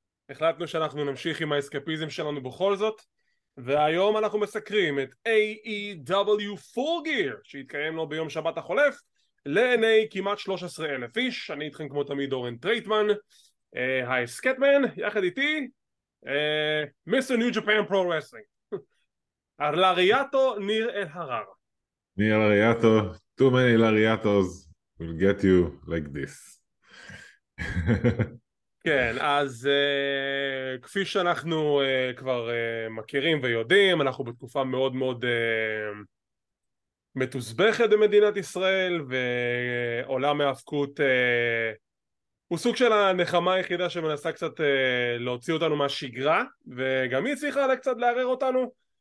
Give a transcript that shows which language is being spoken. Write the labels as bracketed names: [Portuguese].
[Hebrew] החלטנו שאנחנו נמשיך עם האסקפיזם שלנו בכל זאת. והיום אנחנו מסקרים את AEW Full Gear, שהתקיים לו ביום שבת החולף, לעיני כמעט 13,000 איש. אני איתכם כמו תמיד אורן טרייטמן, האסקטמן, יחד איתי, מיסטר ניו ג'פן פרו רסלינג. הרלריאטו ניר אל הרר. ניר אל הרייאטו. [English] Too many lariatos will get you like this. [Hebrew] כן, אז כפי שאנחנו כבר מכירים ויודעים, אנחנו בתקופה מאוד מאוד מתוסבכת במדינת ישראל, ועולם ההיאבקות הוא סוג של הנחמה היחידה שמנסה קצת להוציא אותנו מהשגרה, וגם היא צריכה עלה קצת לערער אותנו.